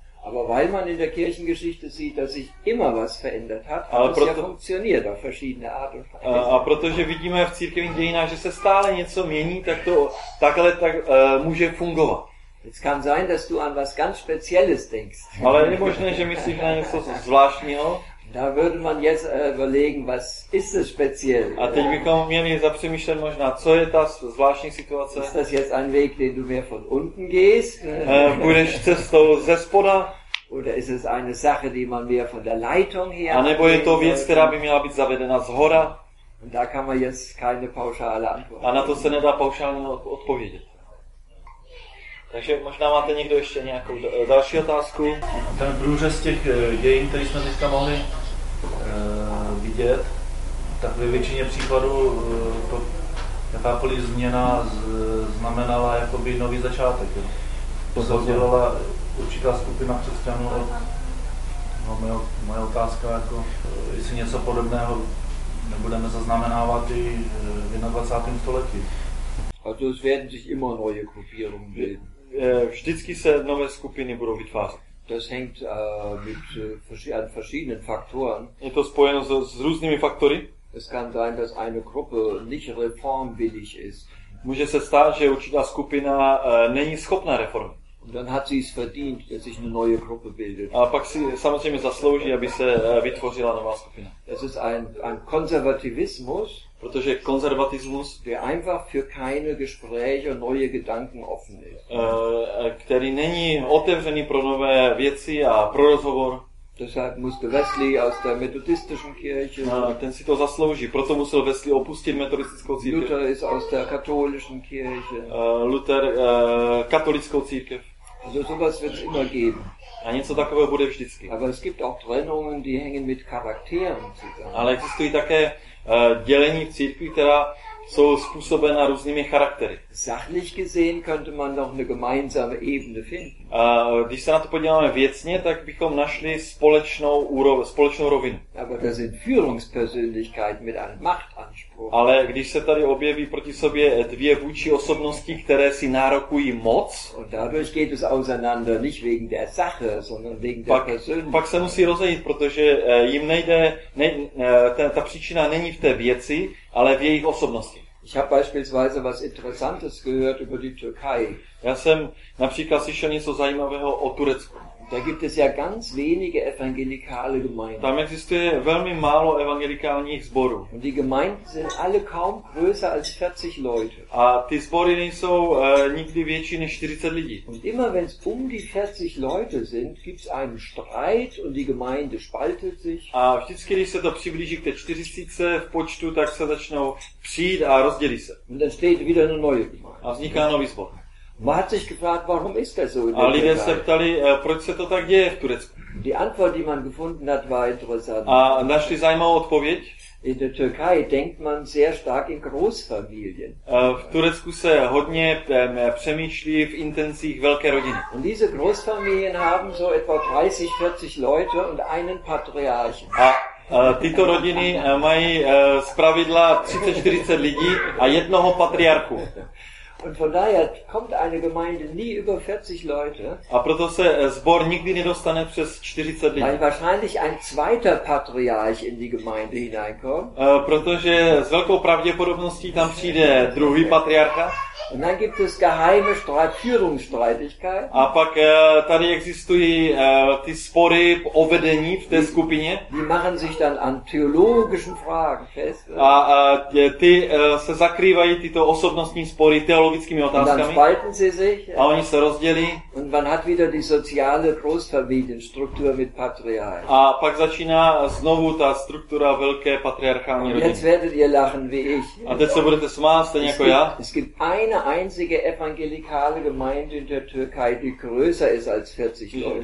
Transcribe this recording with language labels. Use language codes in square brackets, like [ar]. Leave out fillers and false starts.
[de] Aber weil man in der Kirchengeschichte sieht, dass sich immer was verändert hat, hat es ja funktioniert auf verschiedene Art und Weise. [cs] A protože vidíme v církevních dějinách, že se stále něco mění, tak to takhle tak může fungovat. [de] Es kann sein, dass du an was ganz Spezielles denkst. [cs] Ale je možné, že myslíš na něco zvláštního. [de] Da würde man jetzt überlegen, was ist es speziell? [cs] A teď bychom měli zapřemýšlet možná, co je ta zvláštní situace? [de] Ist das jetzt ein Weg, den du mehr von unten gehst? [cs] Budeš cestou ze spoda? [de] Oder ist es eine Sache, die man mehr von der Leitung her? [cs] A nebo je to věc, která by měla být zavedena zhora? [de] Und da kann man jetzt keine pauschale Antwort. [cs] A na to se nedá paušálně odpovědět. Takže možná máte někdo ještě nějakou další otázku. Ten průřez z těch dějin, který jsme dneska mohli vidět, tak ve většině případů to jakákoliv změna znamenala jakoby nový začátek. To se dělala určitá skupina křesťanů. No, moje otázka, jako, jestli něco podobného nebudeme zaznamenávat i v 21. století. A to už věděl, že jim nové grupírům bylo. Vždycky se nové skupiny budou vytvářet. [de] Das hängt mit an verschiedenen Faktoren. [cs] Je to spojeno s různými faktory. [de] Es kann sein, dass eine Gruppe nicht reformwillig ist. [cs] Může se stát, že určitá skupina není schopná reformy. [de] Und dann hat sie es verdient, dass sich eine neue Gruppe bildet. [cs] A pak si samozřejmě zaslouží, aby se vytvořila nová skupina. [de] Es ist ein Konservativismus. [cs] Protože konzervatismus, [de] der einfach für keine Gespräche und neue Gedanken offen ist. [cs] Který není otevřený pro nové věci a pro rozhovor. [de] Deshalb musste Wesley aus der methodistischen Kirche. [cs] Ten si to zaslouží, proto musel Wesley opustit metodistickou církev. [de] Luther ist aus der katholischen Kirche. [cs] Luther katolickou církev. [de] Also sowas wird es immer geben. [cs] A něco takového bude vždycky. [de] Aber es gibt auch Trennungen, die hängen mit Charakteren zusammen. [cs] Ale existují také dělení v církvi, která jsou způsobena různými charaktery. [de] Sachlich gesehen könnte man noch eine gemeinsame Ebene finden. [cs] A když se na to podíváme věcně, tak bychom našli společnou společnou rovinu. [de] Aber das sind Führungspersönlichkeiten mit einem Machtanspruch. [cs] Ale když se tady objeví proti sobě dvě vůdčí osobnosti, které si nárokují moc, [de] und dadurch geht es auseinander nicht wegen der Sache, sondern wegen der Persönlichkeit. [cs] Pak se musí rozejít, protože jim nejde ta příčina není v té věci, ale v jejich osobnosti. [de] Ich habe beispielsweise was Interessantes gehört über die Türkei. [cs] Já jsem například slyšel něco zajímavého o Turecku. [de] Da gibt es ja ganz wenige evangelikale Gemeinden. [cs] Tam existuje velmi málo evangelikálních sborů. [de] Und die Gemeinden sind alle kaum größer als 40 Leute. [cs] A ty sbory nejsou nikdy větší než 40 lidí. [de] Und immer wenn es um die 40 Leute sind, gibt es einen Streit und die Gemeinde spaltet sich. [cs] A vždycky, když se to přiblíží k té 40 v počtu, tak se začnou přijít a rozdělí se. [de] Und dann steht wieder eine neue Gemeinde. [cs] A vzniká nový sbor. [de] Man hat sich gefragt, warum ist das so? [cs] A lidé se ptali, proč se to tak děje v Turecku. [de] Die Antwort, die man gefunden hat, war interessant. [cs] A našli zajímavou odpověď. [de] In der Türkei denkt man sehr stark in Großfamilien. [cs] V Turecku se hodně přemýšlí v intencích velké rodiny. [de] Und diese Großfamilien haben so etwa 30-40 Leute und einen Patriarchen. [cs] A tyto rodiny mají zpravidla 30-40 lidí a jednoho patriarchu. [de] Und von daher kommt eine Gemeinde nie über 40 Leute. [cs] A proto se sbor nikdy nedostane přes 40 lidí. [de] Weil wahrscheinlich ein zweiter Patriarch in die Gemeinde hineinkommt. [cs] Protože s velkou pravděpodobností tam přijde druhý patriarcha. [de] Und dann gibt es geheime Führungsstreitigkeiten. [cs] A pak tady existují ty spory o vedení v té skupině. [de] Die machen sich dann an theologischen Fragen fest. [cs] A ty se zakrývají tyto osobnostní spory teologickými otázkami. [de] Dann spalten sie sich. [cs] A oni se rozdělí. [de] Und man hat wieder die soziale Großfamilienstruktur mit Patriarchen. [cs] A pak začíná znovu ta struktura velké patriarchální rodiny. [de] Jetzt werdet ihr lachen wie ich. [cs] A teď se budete smát, stejně jako já. [de] Eine einzige evangelikale Gemeinde in der Türkei, die größer ist als 40 Leute.